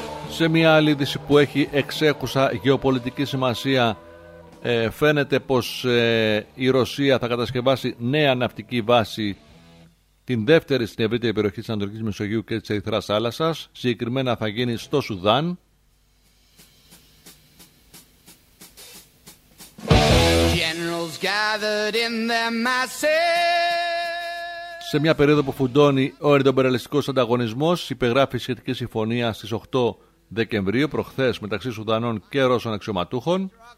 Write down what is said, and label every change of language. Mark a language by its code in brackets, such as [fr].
[el] Σε μια άλλη είδηση που έχει εξέχουσα γεωπολιτική σημασία, φαίνεται πως η Ρωσία θα κατασκευάσει νέα ναυτική βάση την δεύτερη στην ευρύτερη περιοχή της Ανατολικής Μεσογείου και της Ερυθράς Θάλασσας. Συγκεκριμένα θα γίνει στο Σουδάν. [en] Generals gathered in their masses. [el] Σε μια περίοδο που φουντώνει ο ερυθροπεραλληλιστικός ανταγωνισμός, υπεγράφει η σχετική συμφωνία στις 8 Δεκεμβρίου, προχθές, μεταξύ Σουδανών και Ρώσων αξιωματούχων.